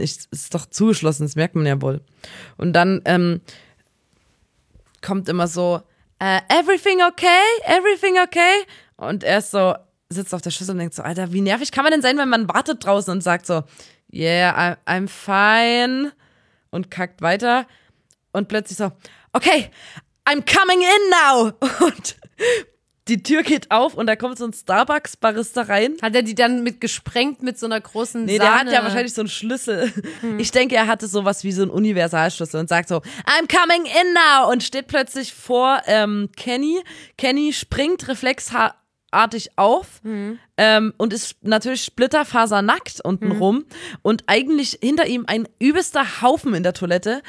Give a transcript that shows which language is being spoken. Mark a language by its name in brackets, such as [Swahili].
[German] Ist doch zugeschlossen, das merkt man ja wohl. Und dann kommt immer so, [English] everything okay? Everything okay? [German] Und er ist so, sitzt auf der Schüssel und denkt so, Alter, wie nervig kann man denn sein, wenn man wartet draußen und sagt so, [English] yeah, I'm fine. [German] Und kackt weiter. Und plötzlich so, [English] okay, I'm coming in now. [German] Und die Tür geht auf und da kommt so ein Starbucks-Barista rein. Hat er die dann mit gesprengt mit so einer großen Sahne? Nee, der hat ja wahrscheinlich so einen Schlüssel. Hm. Ich denke, er hatte sowas wie so einen Universalschlüssel und sagt so, [English] I'm coming in now. [German] Und steht plötzlich vor Kenny. Kenny springt reflexartig auf und ist natürlich splitterfasernackt unten rum und eigentlich hinter ihm ein übelster Haufen in der Toilette.